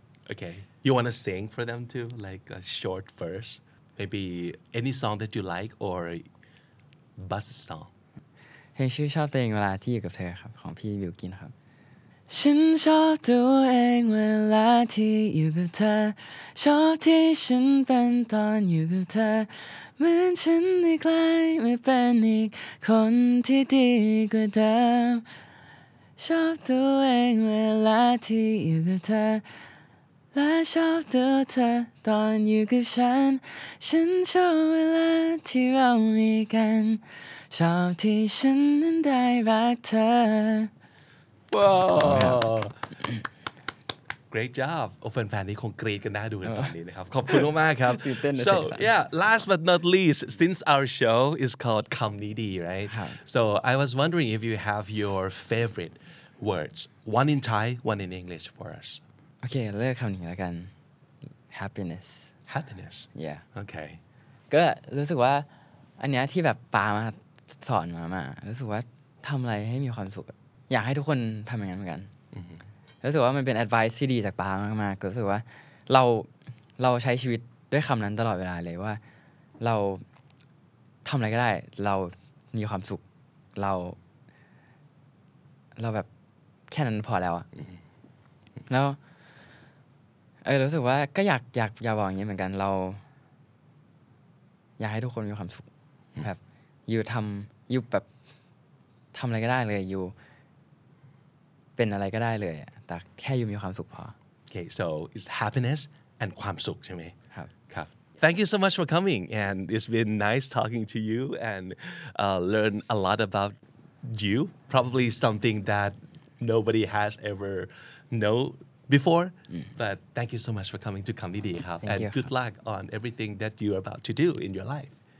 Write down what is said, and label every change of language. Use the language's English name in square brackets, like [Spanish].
[English] Okay you want to sing for them too like a short verse maybe any song that you like or bus song [Thai] เพลงชื่อชอบตัวเองเวลาที่อยู่กับเธอครับของพี่วิลกินครับฉันชอบตัวเองเวลาที่อยู่กับเธอชอบที่ฉันเป็นตอนอยู่กับเธอเหมือนฉันได้ใกล้ไม่เป็นอีกคนที่ดีกว่าเดิม ชอบตัวเองเวลาที่อยู่กับเธอและชอบตัวเธอตอนอยู่กับฉันฉันชอบเวลาที่เรามีกันชอบที่ฉันนั้นได้รักเธอ [English] Great job [Thai] โอ้แฟนๆนี่คงกรี๊ดกันน่าดูในตอนนี้นะครับขอบคุณมากครับ [English] So yeah last but not least since our show is called Come Needy right So I was wondering if you have your favorite words one in Thai one in English for us [Thai] Okay เลือกคำหนึ่งแล้วกัน Happiness [English] Happiness Yeah Okay [Thai] ก็รู้สึกว่าอันเนี้ยที่แบบปามาสอนมารู้สึกว่าทำอะไรให้มีความสุขอยากให้ทุกคนทำอย่างนั้นเหมือนกันรู้สึกว่ามันเป็น advice ที่ดีจากป้ามากมากรู้สึกว่าเราใช้ชีวิตด้วยคำนั้นตลอดเวลาเลยว่าเราทำอะไรก็ได้เรามีความสุขเรา แบบแค่นั้นพอแล้วแล้วรู้สึกว่าก็อยากบอกอย่างนี้เหมือนกันเราอยากให้ทุกคนมีความสุขแบบอยู่ทำอะไรก็ได้เลยอยู่เป็นอะไรก็ได้เลยแต่แค่อยู่มีความสุขพอ [English] Okay so it's happiness and [Thai] ความสุขใช่ไหม ครับ [English] ครับ Thank you so much for coming and it's been nice talking to you and learn a lot about you probably something that nobody has ever know before but thank you so much for coming to Come Needy ครับ and good luck on everything that you're about to do in your life